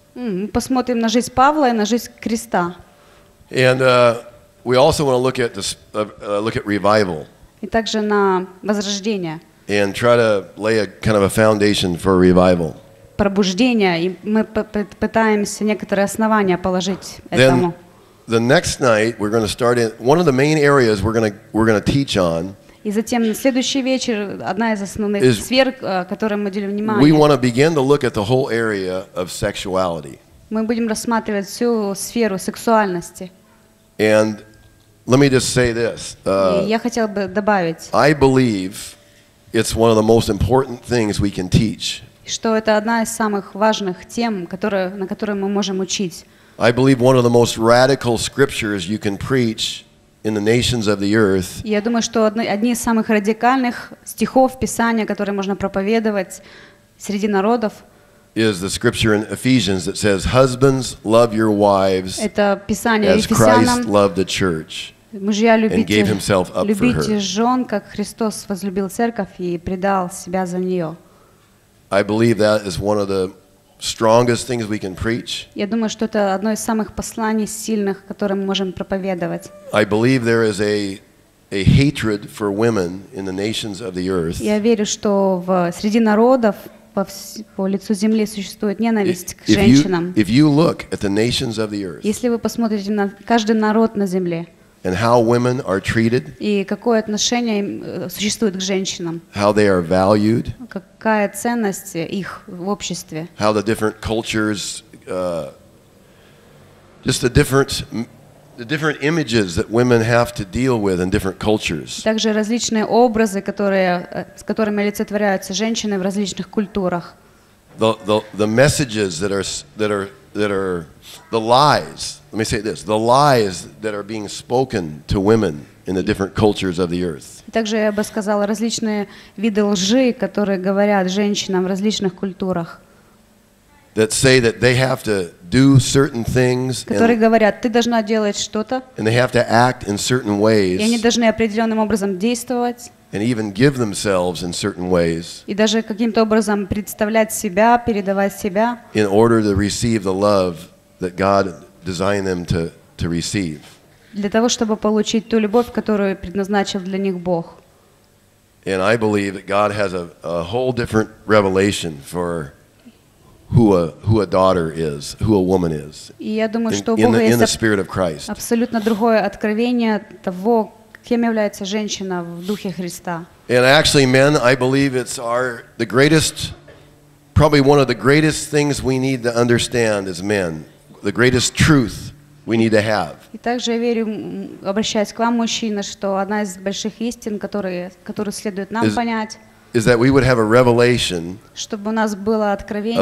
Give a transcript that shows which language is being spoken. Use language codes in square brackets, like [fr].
[ru] Мы посмотрим на жизнь Павла и на жизнь Креста. [en] And we also want to look at this, look at revival. [ru] И также на возрождение. [en] And try to lay a kind of a foundation for revival. [ru] Пробуждение, и мы пытаемся некоторые основания положить [en] Then, [ru] этому. [en] The next night we're going to start in one of the main areas we're going to teach on. [ru] И затем на следующий вечер одна из основных сфер, которой мы делим внимание. [en] We want to begin to look at the whole area of sexuality. [ru] Мы будем рассматривать всю сферу сексуальности. [en] And let me just say this. [ru] Я хотел бы добавить. [en] I believe it's one of the most important things we can teach. [ru] Что это одна из самых важных тем, на которые мы можем учить. [en] I believe one of the most radical scriptures you can preach in the nations of the earth. [ru] Я думаю, что одни из самых радикальных стихов Писания, которые можно проповедовать среди народов, [en] is the scripture in Ephesians that says, "Husbands, love your wives as Christ loved the church and gave himself up for her." [ru] Любите жен, как Христос возлюбил церковь и предал себя за нее. [en] I believe that is one of the strongest things we can preach. [ru] Я думаю, что это одно из самых посланий сильных, которые мы можем проповедовать. [en] I believe there is a hatred for women in the nations of the earth. [ru] Я верю, что в среди народов по лицу земли существует ненависть к женщинам. [en] If you look at the nations of the earth. [ru] Если вы посмотрите на каждый народ на земле. [en] And how women are treated. [ru] И какое отношение существует к женщинам. [en] How they are valued. [ru] Какая ценность их в обществе. [en] How the different cultures, just the different images that women have to deal with in different cultures. [ru] Также различные образы, с которыми олицетворяются женщины в различных культурах. [en] The messages that are the lies. Let me say this: the lies that are being spoken to women in the different cultures of the earth. [ru] Также я бы сказала различные виды лжи, которые говорят женщинам в различных культурах. [en] That say that they have to do certain things. [ru] Которые говорят, ты должна делать что-то. [en] And they have to act in certain ways. [ru] И они должны определенным образом действовать. [en] And even give themselves in certain ways. [ru] И даже каким-то образом представлять себя, передавать себя. [en] In order to receive the love that God designed them to receive. [ru] Для того, чтобы получить ту любовь, которую предназначил для них Бог. [en] And I believe that God has a whole different revelation for who a daughter is, who a woman is. [ru] И я думаю, что Бог [en] in the spirit of Christ. [ru] Абсолютно другое откровение того, кем является женщина в духе Христа. [en] And actually, men, I believe it's the greatest, probably one of the greatest things we need to understand as men. The greatest truth we need to have. [ru] И также я верю, обращаясь к вам, мужчина, что одна из больших истин, которую следует нам понять, [en] is that we would have a revelation, [ru] чтобы у нас было откровение,